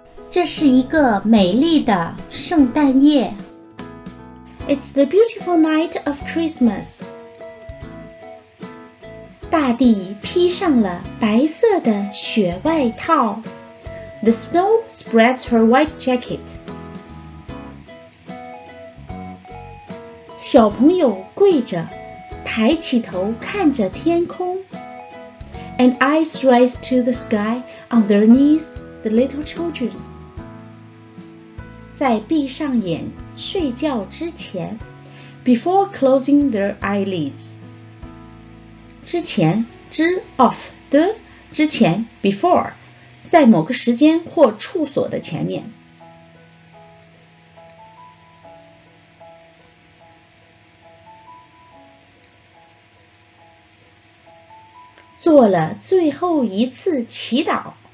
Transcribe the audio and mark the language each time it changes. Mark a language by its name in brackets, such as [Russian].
[Chinese] 这是一个美丽的圣诞夜。 [English] It's the beautiful night of Christmas. [Chinese] 大地披上了白色的雪外套。 [English] The snow spreads her white jacket. [Chinese] 小朋友跪着，抬起头看着天空。 [English] And eyes rise to the sky on their knees, the little children. [Chinese] 在闭上眼睡觉之前 [English] Before closing their eyelids. [Chinese] 之前之 of 的之前 before 在某个时间或处所的前面 做了最后一次祈祷